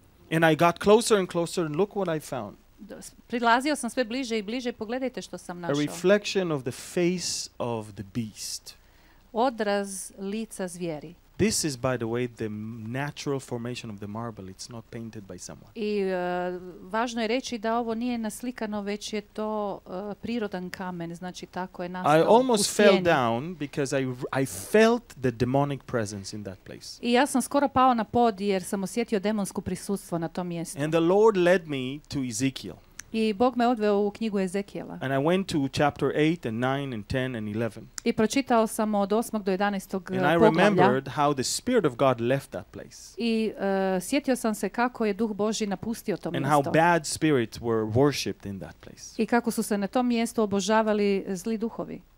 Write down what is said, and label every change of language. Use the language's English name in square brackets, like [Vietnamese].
[English] And I got closer and closer and look what I found. [Croatian] Prilazio sam sve bliže i bliže, pogledajte što sam našao. [English] A reflection of the face of the beast. [Croatian] Odraz lica zvijeri. [English] This is by the way the natural formation of the marble, it's not painted by someone. [Croatian] I važno je reći da ovo nije naslikano, već je to prirodan kamen, znači tako je nastao. [English] I almost fell down because I felt the demonic presence in that place. [Croatian] I ja sam skoro pao na pod jer sam osjetio demonsko prisustvo na tom mjestu. [English] And the Lord led me to Ezekiel. [Croatian] I Bog me odveo u knjigu Ezekijela. [English] And I went to chapter 8 and 9 and 10 and 11. [Croatian] I pročitao sam od 8. do 11. poglavlja. [English] And I remembered how the spirit of God left that place. [Croatian] I sjetio sam se kako je Duh Božji napustio to mjesto. [English] And how bad spirits were worshipped in that place. [Croatian] I kako su se na tom mjestu obožavali zli duhovi.